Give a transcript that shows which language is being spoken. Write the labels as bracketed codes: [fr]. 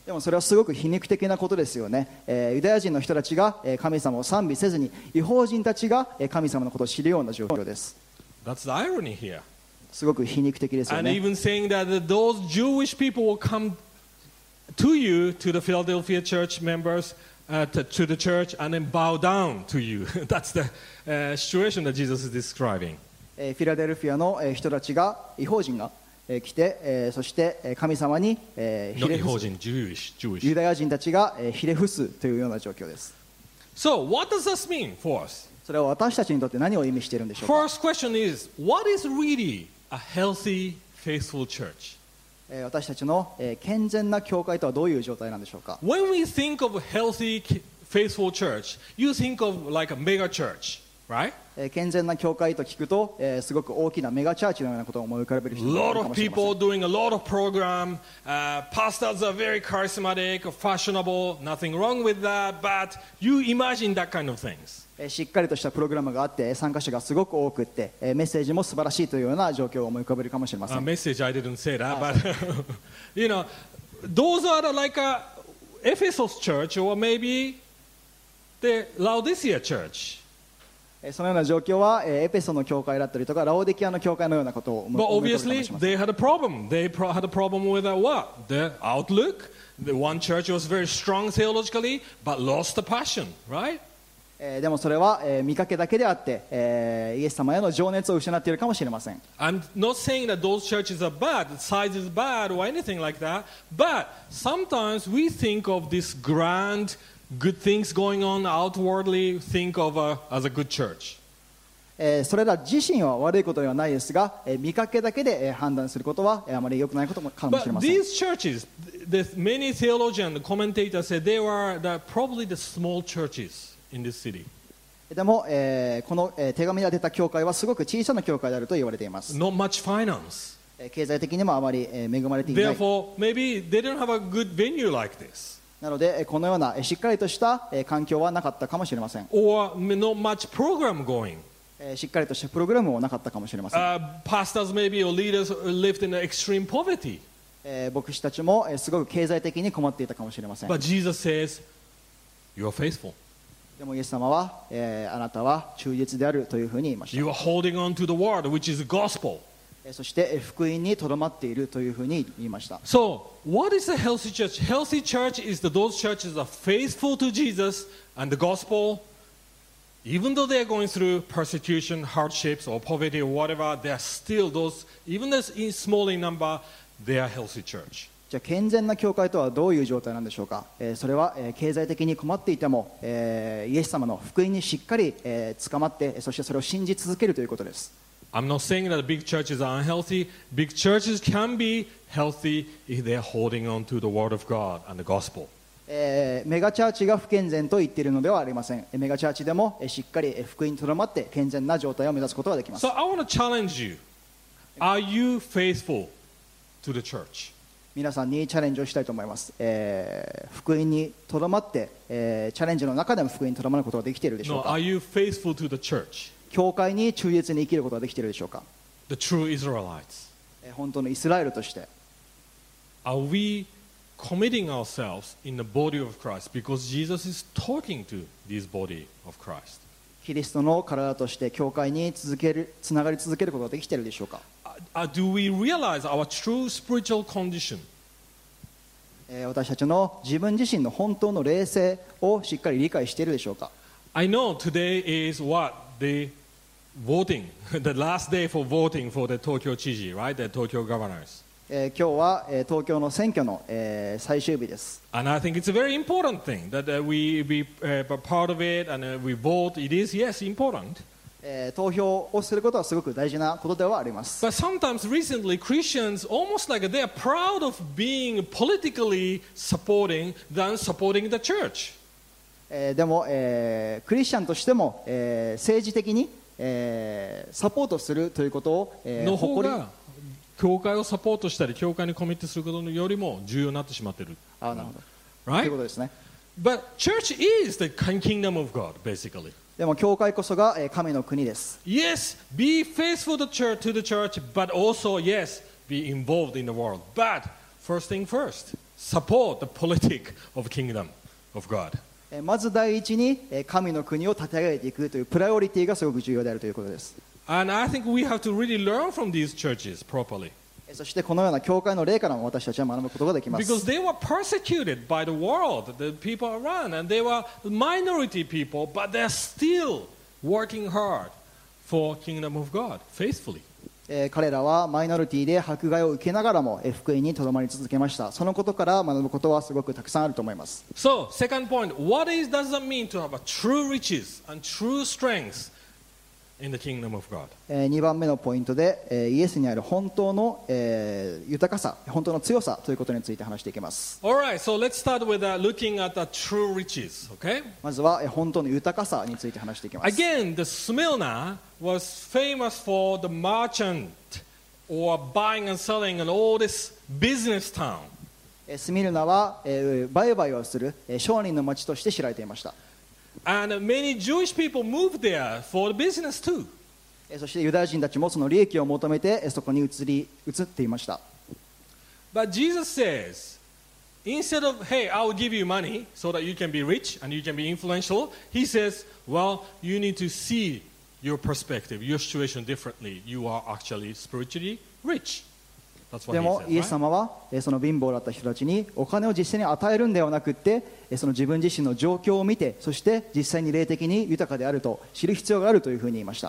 [ja] でもそれはすごく皮肉的なことですよね。ユダヤ人の人たちが神様を賛美せずに、異邦人たちが神様のことを知るような状況です。 [en] That's the irony here. [ja] すごく皮肉的ですよね。 [en] And even saying that those Jewish people will come to you, to the Philadelphia church members, to the church, and then bow down to you. That's the situation that Jesus is describing. [ja] フィラデルフィアの人たちが、異邦人が来て、そして神様にひれ伏す。異邦人、Jewish、ユダヤ人たちがひれ伏すというような状況です。 [en] So, what does this mean for us? [ja] それは私たちにとって何を意味しているんでしょうか? [en] First question is, what is really a healthy, faithful church? [ja] 私たちの健全な教会とはどういう状態なんでしょうか? [en] When we think of healthy, faithful church, you think of like a mega church, right? [ja] 健全な教会と聞くと、すごく大きなメガチャーチのようなことを思い浮かべる人もいるかもしれません。 [en] Lot of people doing a lot of program. Pastors are very charismatic, fashionable, nothing wrong with that, but you imagine that kind of things. [ja] しっかりとしたプログラムがあって参加者がすごく多くってメッセージも素晴らしいというような状況を思い浮かべるかもしれません。 [en] メッセージ I didn't say that, but you know, those are like a Ephesus church or maybe the Laodicea church. [ja] そのような状況はエフェソの教会だったりとかラオデキアの教会のようなことを思い浮かべるかもしれません。 [en] But obviously they had a problem. They had a problem with what? The outlook. The one church was very strong theologically, but lost the passion, right? [ja] でもそれは見かけだけであってイエス様への情熱を失っているかもしれません。 [en] I'm not saying that those churches are bad, size is bad or anything like that, but sometimes we think of this grand good things going on outwardly, think of as a good church. [ja] それら自身は悪いことではないですが見かけだけで判断することはあまり良くないこともかもしれません。 [en] But these churches, the many theologians, the commentators said they were probably the small churchesIn this city. [ja] でも、この、手紙が出た教会はすごく小さな教会であると言われています。 [en] Not much finance. [ja] 経済的にもあまり、恵まれていない。 [en] Therefore, maybe they didn't have a good venue like this. [ja] なので、このような、しっかりとした、環境はなかったかもしれません。 [en] Or not much program going. [ja] しっかりとしたプログラムもなかったかもしれません。 [en] Pastors maybe or leaders lived in extreme poverty. [ja] 牧師たちも、すごく経済的に困っていたかもしれません。 [en] But Jesus says, "You are faithful." [ja] でもイエス様は、あなたは忠実であるというふうに言いました。 [en] You are holding on to the word, which is gospel. [ja] そして、福音にとどまっているというふうに言いました。 [en] So, what is a healthy church? Healthy church is that those churches are faithful to Jesus and the gospel, even though they are going through persecution, hardships, or poverty, or whatever, they are still those, even though in small in number, they are healthy church. [ja] じゃあ健全な教会とはどういう状態なんでしょうか、それは、経済的に困っていても、イエス様の福音にしっかり、捕まってそしてそれを信じ続けるということです。 [en] I'm not saying that big churches are unhealthy. Big churches can be healthy if they're holding on to the word of God and the gospel. [ja] メガチャーチが不健全と言っているのではありません。メガチャーチでも、しっかり福音にとどまって健全な状態を目指すことができます。 [en] So I want to challenge you. Are you faithful to the church? [ja] 皆さんにチャレンジをしたいと思います。福音にとどまって、チャレンジの中でも福音にとどまることができているでしょうか。 [en] No, are you faithful to the church? [ja] 教会に忠実に生きることができているでしょうか。 [en] The true Israelites. [ja] 本当のイスラエルとして。 [en] Are we committing ourselves in the body of Christ? Because Jesus is talking to this body of Christ. [ja] キリストの体として教会につながり続けることができているでしょうか。 [en] Do we realize our true spiritual condition? [ja] 私たちの自分自身の本当の霊性をしっかり理解しているでしょうか? [en] I know today is what? The voting. The last day for voting for the Tokyo 知事, right? The Tokyo governors. [ja] 今日は東京の選挙の最終日です。 [en] And I think it's a very important thing that we be part of it and we vote. It is, yes, important. [ja] 投票をすることはすごく大事なことではあります。 But sometimes recently Christians almost like they are proud of being politically supporting than supporting the church. でも、クリスチャンとしても、政治的に、サポートするということを、の方が教会をサポートしたり教会にコミットすることよりも重要になってしまっている。あ、なるほど。 [en] Right? [ja] ということですね。 [en] But church is the kingdom of God, basically. [ja] でも教会こそが、神の国です。 [en] Yes, be faithful to the church, but also yes, be involved in the world. But first thing first, support the politic of kingdom of God. [ja] まず第一に神の国を立て上げていくというプライオリティがすごく重要であるということです。 [en] And I think we have to really learn from these churches properly. [ja] そしてこのような教会の例からも私たちは学ぶことができます。 [en] Because they were persecuted by the world, the people around, and they were minority people, but they're still working hard for kingdom of God faithfully. [ja] 彼らはマイノリティで迫害を受けながらも福音にとどまり続けました。そのことから学ぶことはすごくたくさんあると思います。 [en] So, second point, what does it mean to have a true riches and true strength in the kingdom of God? [ja] 2番目のポイントで、イエスにある本当の、豊かさ、本当の強さということについて話していきます。 [en] All right, so let's start with looking at the true riches, okay? [ja] まずは本当の豊かさについて話していきます。 [en] Again, the Smyrna was famous for the merchant or buying and selling and all this business town. [ja] スミルナは売買をする商人の町として知られていました。 [en] And many Jewish people moved there for the business too. [ja] そしてユダヤ人たちもその利益を求めてそこに移っていました。 [en] But Jesus says, instead of, hey, I will give you money so that you can be rich and you can be influential, he says, well, you need to see your perspective, your situation differently. You are actually spiritually rich. That's what he said. [ja] でもイエス様はその貧乏だった人たちにお金を実際に与えるんではなくってその自分自身の状況を見てそして実際に霊的に豊かであると知る必要があるというふうに言いました。